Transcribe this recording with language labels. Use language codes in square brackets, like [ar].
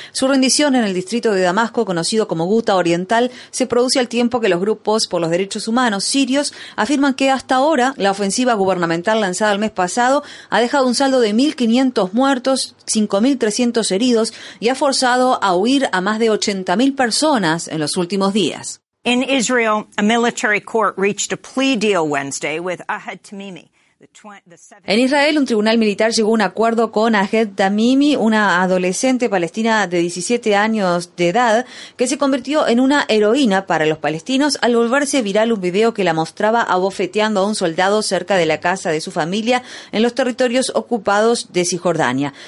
[es] Su rendición en el distrito de Damasco, conocido como Guta Oriental, se produce al tiempo que los grupos por los derechos humanos sirios afirman que hasta ahora la ofensiva gubernamental lanzada el mes pasado ha dejado un saldo de 1.500 muertos, 5.300 heridos y ha forzado a huir a más de 80.000 personas en los últimos días. [en] In Israel, a military court reached a plea deal Wednesday with Ahed Tamimi. [es] En Israel, un tribunal militar llegó a un acuerdo con Ahed Tamimi, una adolescente palestina de 17 años de edad, que se convirtió en una heroína para los palestinos al volverse viral un video que la mostraba abofeteando a un soldado cerca de la casa de su familia en los territorios ocupados de Cisjordania.